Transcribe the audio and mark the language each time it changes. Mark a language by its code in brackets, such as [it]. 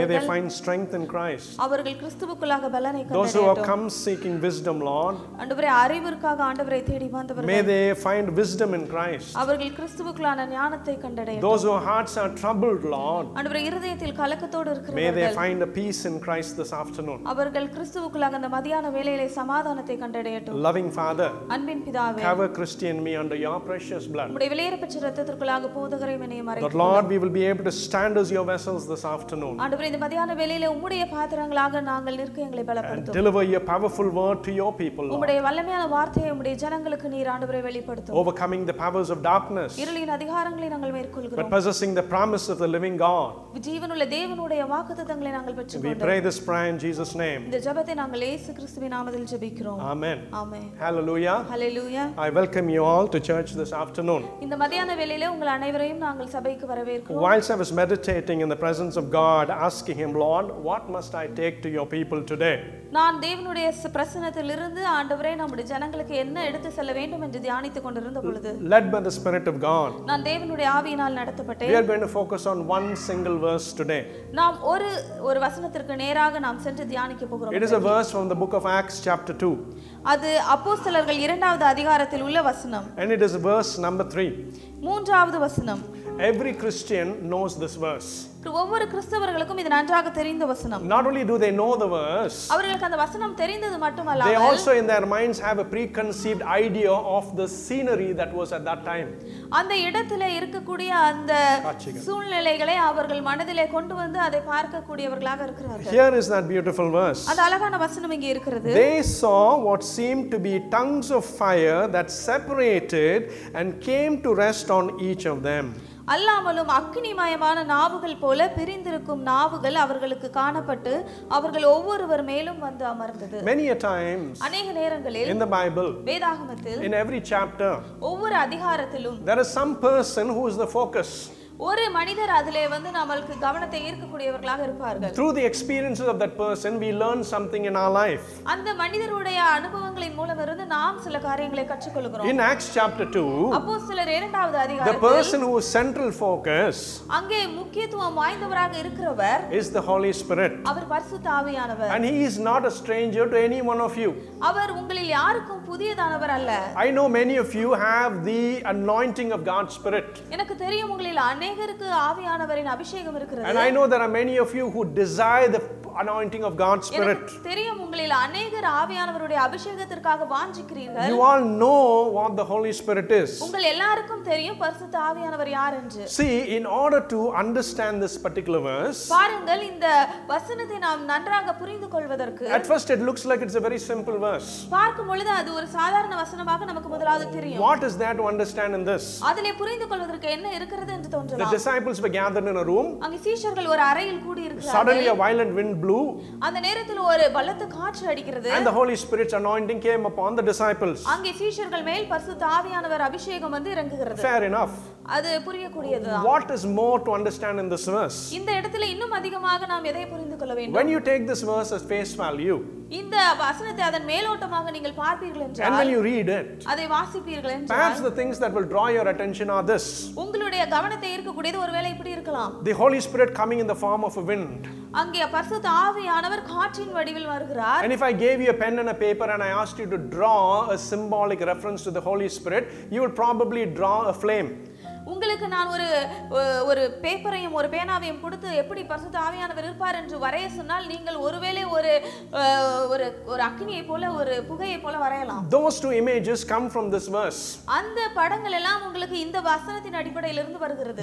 [en] May they find strength in Christ. [ta] அவர்கள் கிறிஸ்துவுக்குள்ளாக பலனை கண்டறியட்டும். [en] Those who have come seeking wisdom, Lord. [ta] ஆண்டவரே அறிவிற்காக ஆண்டவரை தேடி வந்தவர்கள். [en] May they find wisdom in Christ. [ta] அவர்கள் கிறிஸ்துவுக்குள்ளான ஞானத்தை கண்டடையட்டும். [en] Those whose hearts are troubled, Lord. [ta] ஆண்டவரே இருதயத்தில் கலக்கத்தோடு இருக்கிறவர்கள். [en] May they find a peace in Christ this afternoon. [ta] அவர்கள் கிறிஸ்துவுக்குள்ளாக அந்த மதியான வேளையிலே சமாதானத்தை கண்டடையட்டும். [en] Loving Father. [ta] அன்பின் பிதாவே. [en] Have a Christian me under your precious blood. [ta] உம்முடைய விலையேறப்பட்ட இரத்தத்திற்குள்ளாக போதகரை என்னை மறைக்கும். [en] The Lord, we will be able to stand as your vessels this afternoon. [ta] ஆண்டவரே இந்த மதியான வேளையிலே உம்முடைய பாத்திரங்களாக நாங்கள் நிற்க எங்களை பலப்படுத்தும். [en] Deliver your powerful word to your people, Lord. [ta] உம்முடைய வல்லமையான வார்த்தையை உம்முடைய ஜனங்களுக்கு நீர் ஆண்டவரே வெளிப்படுத்தும். [en] Overcoming the powers of darkness. [ta] இருளின் அதிகாரங்களை நாங்கள் மேற்கொள்கிறோம். [en] But possessing the promise of the living God. [ta] ஜீவனுள்ள தேவனுடைய வாக்குத்தத்தங்களை நாங்கள் பெற்றுக்கொண்டோம். [en] We pray this prayer in Jesus' name. [ta] இந்த ஜெபத்தை நாங்கள் இயேசு கிறிஸ்துவின் நாமத்தில் ஜெபிக்கிறோம். [en] Amen. Amen. Hallelujah. Hallelujah. I welcome you all to church this afternoon. [ta] இந்த மதியான வேளையிலே உங்கள் அனைவரையும் நாங்கள் சபைக்கு வரவேற்கிறோம். [en] While I was meditating in the presence of God, asking him, Lord, what must I take to your people today? [ta] நான் தேவனுடைய பிரசன்னத்திலிருந்து ஆண்டவரே நம்முடைய ஜனங்களுக்கு என்ன எடுத்து செல்ல வேண்டும் என்று தியானித்துக் கொண்டிருந்த பொழுது, [en] Led by the Spirit of God. [ta] நான் தேவனுடைய ஆவியினால் நடத்தப்பட்டேன். [en] We are going to focus on one single verse today. [ta] நாம் ஒரு வசனத்திற்கு நேராக நாம் சென்று தியானிக்க போகிறோம். [en] It is a verse from the book of Acts chapter 2. [ta] அது அப்போஸ்தலர்கள் இரண்டாவது அதிகாரத்தில் உள்ள வசனம். [en] And it is verse number 3. [ta] மூன்றாவது வசனம். [en] Every Christian knows this verse. [ta] ஒவ்வொரு கிறிஸ்தவர்களுக்கும் இது நன்றாக தெரிந்த வசனம். [en] Not only do they know the verse. [ta] அவர்களுக்கு அந்த வசனம் தெரிந்தது மட்டுமல்ல, [en] they also in their minds have a preconceived idea of the scenery that was at that time. [ta] அந்த இடத்திலே இருக்கக்கூடிய அந்த சூழ்நிலைகளை அவர்கள் மனதிலே கொண்டு வந்து அதை பார்க்கக்கூடியவர்களாக இருக்கிறார்கள். [en] Here is that beautiful verse. [ta] அந்த அழகான வசனம் இங்கே இருக்கிறது. [en] They saw what seemed to be tongues of fire that separated and came to rest on each of them. [ta] அல்லாமலும் அக்னிமயமான நாவுகள் போல பிரிந்திருக்கும் நாவுகள் அவர்களுக்கு காணப்பட்டு அவர்கள் ஒவ்வொருவர் மேலும் வந்து அமர்ந்தது. [en] Many a times, [ta] அநேக நேரங்களில் [en] in the Bible, [ta] வேதாகமத்தில், [en] in every chapter, [ta] ஒவ்வொரு அதிகாரத்திலும், [en] there is some person who is the focus. [ta] ஒரு மனிதர் அதிலே வந்து நமக்கு கவனத்தை ஈர்க்கக்கூடியவர்களாக இருப்பார்கள். [en] Through the experiences of that person, we learn something in our life. [ta] அந்த மனிதருடைய அனுபவங்களின் மூலம் இருந்து நாம் சில காரியங்களை கற்றுக்கொள்கிறோம். [en] In Acts chapter 2, [ta] அப்போஸ்தலர் இரண்டாவது அதிகாரத்தில், [en] the person who is central focus, [ta] அங்கே முக்கியத்துவம் வாய்ந்தவராக இருக்கிறவர், [en] is the Holy Spirit. [ta] அவர் பரிசுத்த ஆவியானவர். [en] And he is not a stranger to any one of you. [ta] அவர் உங்களில் யாருக்கும் புதியதானவர் அல்ல. [en] I know many of you have the anointing of God's Spirit. [ta] எனக்கு தெரியும் உங்களில் அநேகருக்கு ஆவியானவரின் அபிஷேகம் இருக்கிறது. [en] And I know there are many of you who desire the anointing of God's Spirit. [ta] தெரியும் உங்களில் அநேகர் ஆவியானவருடைய அபிஷேகத்திற்காக வாஞ்சிக்கிறீர்கள். [en] You all know what the Holy Spirit is. [ta] உங்கள் எல்லாருக்கும் தெரியும் பரிசுத்த ஆவியானவர் யார் என்று. [en] See, in order to understand this particular verse, [ta] பாருங்கள் இந்த வசனத்தை நாம் நன்றாக புரிந்துகொள்வதற்கு, [en] at first it looks like it's a very simple verse. [ta] பார்க்கும் பொழுது அது ஒரு சாதாரண வசனமாக நமக்கு முதலாவது தெரியும். [en] What is there to understand in this? [ta] அதிலே புரிந்துகொள்வதற்கு என்ன இருக்கிறது என்று தோன்றலாம். [en] The disciples were gathered in a room. [ta] அங்கே சீஷர்கள் ஒரு அறையில் கூடி இருக்கிறார்கள். [en] Suddenly a violent wind blue. [ta] அந்த நேரத்தில் ஒரு பலத்த காற்று அடிக்கிறது. [en] And the Holy Spirit's anointing came upon the disciples. [ta] அங்கே சீஷர்கள் மேல் பரிசுத்த ஆவியானவர் அபிஷேகம் வந்து இறங்குகிறது. [en] Fair enough. [ta] அது புரியக்கூடியதுதான். [en] What is more to understand in this verse? [ta] இந்த இடத்துல இன்னும் அதிகமாக நாம் எதை புரிந்துகொள்ள வேண்டும்? [en] When you take this verse as face value, [ta] இந்த வசனத்தை அதன் மேலோட்டமாக நீங்கள் பார்ப்பீர்கள் என்றால், [en] and when you read it, [ta] அதை வாசிப்பீர்கள் என்றால், [en] perhaps the things that will draw your attention are this. [ta] உங்களுடைய கவனத்தை ஈர்க்கக்கூடியது ஒருவேளை இப்படி இருக்கலாம். [en] The Holy Spirit coming in the form of a wind. [ta] அங்கே பரிசுத்த ஆவியானவர் காற்றின் வடிவில் வருகிறார். [en] And if I gave you a pen and a paper and I asked you to draw a symbolic reference to the Holy Spirit, you would probably draw a flame. [ta] உங்களுக்கு நான் ஒரு ஒரு பேப்பரையும் ஒரு பேனாவையும் கொடுத்து எப்படி பரிசுத்த ஆவியானவர் இருப்பார் என்று வரைய சொன்னால் நீங்கள் ஒருவேளை ஒரு ஒரு ஒரு அக்னியை போல ஒரு புகையை போல வரையலாம். [en] Those two images come from this verse. [ta] அந்த படங்கள் எல்லாம் உங்களுக்கு இந்த வசனத்தின் அடிப்படையில் இருந்து வருகிறது.